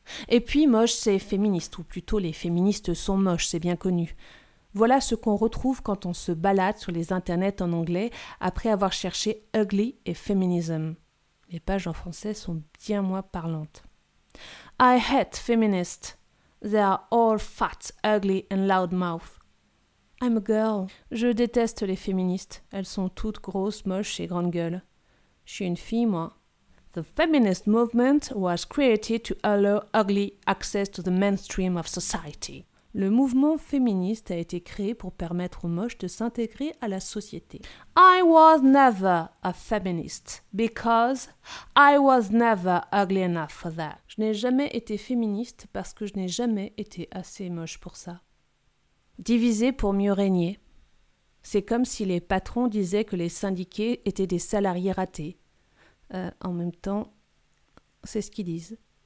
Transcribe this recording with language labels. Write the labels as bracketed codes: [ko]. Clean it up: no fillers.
[fr] Et puis moche, c'est féministe, ou plutôt les féministes sont moches, c'est bien connu. Voilà ce qu'on retrouve quand on se balade sur les internets en anglais après avoir cherché ugly et feminism. Les pages en français sont bien moins parlantes. [en] I hate feminists. They are all fat, ugly and loud mouth. I'm a girl. [fr] Je déteste les féministes. Elles sont toutes grosses, moches et grandes gueules. Je suis une fille, moi. [en] The feminist movement was created to allow ugly access to the mainstream of society. [fr] Le mouvement féministe a été créé pour permettre aux moches de s'intégrer à la société. [en] I was never a feminist because I was never ugly enough for that. [fr] Je n'ai jamais été féministe parce que je n'ai jamais été assez moche pour ça. Diviser pour mieux régner. C'est comme si les patrons disaient que les syndiqués étaient des salariés ratés. En même temps, c'est ce qu'ils disent.